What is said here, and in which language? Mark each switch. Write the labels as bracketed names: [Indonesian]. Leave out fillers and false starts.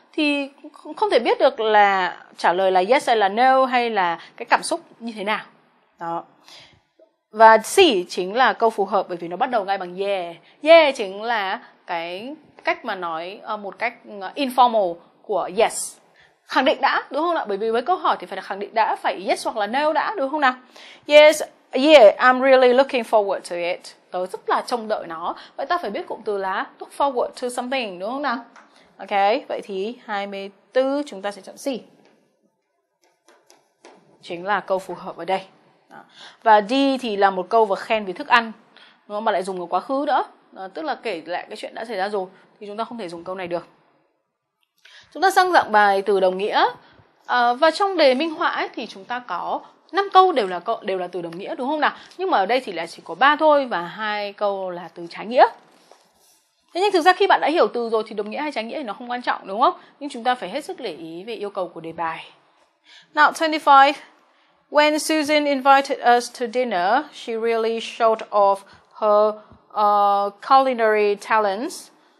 [Vietnamese] Thì không thể biết được là trả lời là yes hay là no, hay là cái cảm xúc như thế nào. Đó. Và C chính là câu phù hợp, bởi vì nó bắt đầu ngay bằng yeah. Yeah chính là cái cách mà nói một cách informal của yes. Khẳng định đã, đúng không ạ? Bởi vì với câu hỏi thì phải là khẳng định đã, phải yes hoặc là no đã, đúng không nào? [English] Yes, yeah, I'm really looking forward to it. [Vietnamese] Tớ rất là trông đợi nó. Vậy ta phải biết cụm từ là [English] look forward to something, [Vietnamese] đúng không nào? Ok, vậy thì 24 chúng ta sẽ chọn C. Chính là câu phù hợp ở đây. Và D thì là một câu vừa khen về thức ăn, đúng không? Mà lại dùng ở quá khứ nữa, tức là kể lại cái chuyện đã xảy ra rồi, thì chúng ta không thể dùng câu này được. Chúng ta sang dạng bài từ đồng nghĩa. Và trong đề minh họa ấy, thì chúng ta có 5 câu đều là từ đồng nghĩa, đúng không nào? Nhưng mà ở đây thì lại chỉ có 3 thôi, và 2 câu là từ trái nghĩa. Thế nhưng thực ra khi bạn đã hiểu từ rồi thì đồng nghĩa hay trái nghĩa thì nó không quan trọng, đúng không? Nhưng chúng ta phải hết sức để ý về yêu cầu của đề bài. [English] Now 25. When Susan invited us to dinner, she really showed off her culinary talents.